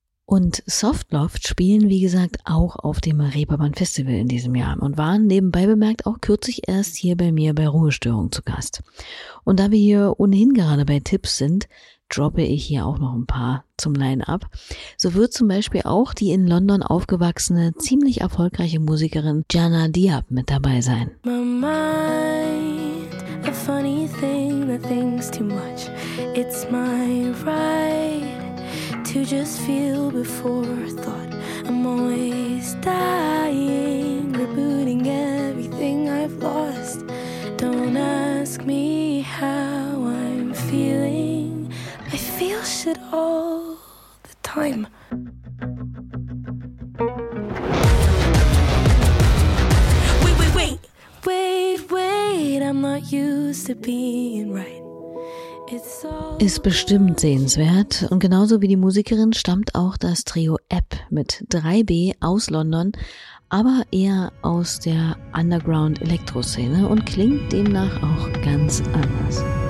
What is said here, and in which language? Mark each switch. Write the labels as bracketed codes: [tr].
[de] Und Softloft spielen, wie gesagt, auch auf dem Reeperbahn-Festival in diesem Jahr und waren nebenbei bemerkt auch kürzlich erst hier bei mir bei Ruhestörung zu Gast. Und da wir hier ohnehin gerade bei Tipps sind, droppe ich hier auch noch ein paar zum Line-Up. So wird zum Beispiel auch die in London aufgewachsene, ziemlich erfolgreiche Musikerin Jana Diab mit dabei sein. [en] My mind, a funny thing that thinks too much. It's my right. To just feel before thought, I'm always dying, rebooting everything I've lost. Don't ask me how I'm feeling, I feel shit all the time. Wait, wait, wait, wait, wait, I'm not used to being right. [de] Ist bestimmt sehenswert. Und genauso wie die Musikerin stammt auch das Trio App mit 3B aus London, aber eher aus der Underground-Elektro-Szene und klingt demnach auch ganz anders.